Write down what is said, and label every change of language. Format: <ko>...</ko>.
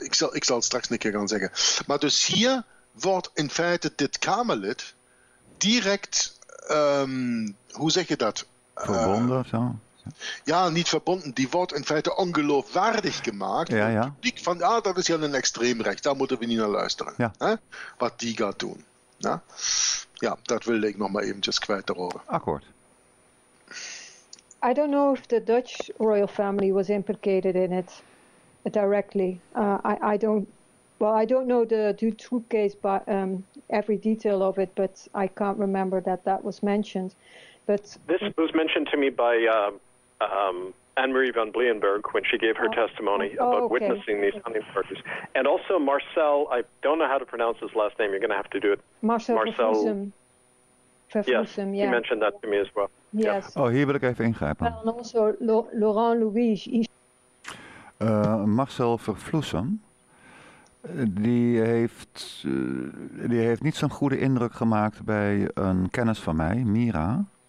<nl>Ik zal het straks een keer gaan zeggen. Maar dus hier wordt in feite dit Kamerlid direct, hoe zeg je dat? Verbonden of zo? Ja, niet verbonden. Die wordt in feite ongeloofwaardig gemaakt. Ja, ja. Publiek van, ah, dat is heel een extreemrecht. Daar moeten we niet naar luisteren. Ja. Hè? Wat die gaat doen. Ja? Ja, dat wilde ik nog maar eventjes kwijt erover. Akkoord.</nl> <en>I don't know if the Dutch royal family was implicated in it directly. I don't know the Dutroux case by every detail of it, but I can't remember that was mentioned. But this was mentioned to me by Anne-Marie van Bleenberg when she gave her testimony about witnessing these hunting parties. And also Marcel, I don't know how to pronounce his last name, you're going to have to do it. Marcel. Yes, he mentioned that to me as well. Yes. Yeah.</en> <nl>Oh, hier wil ik even ingrijpen.</nl> <en>And also Laurent Louis.</en> <nl>Marcel Verfloesem. Die heeft niet zo'n goede indruk gemaakt bij een kennis van mij, Mira.</nl>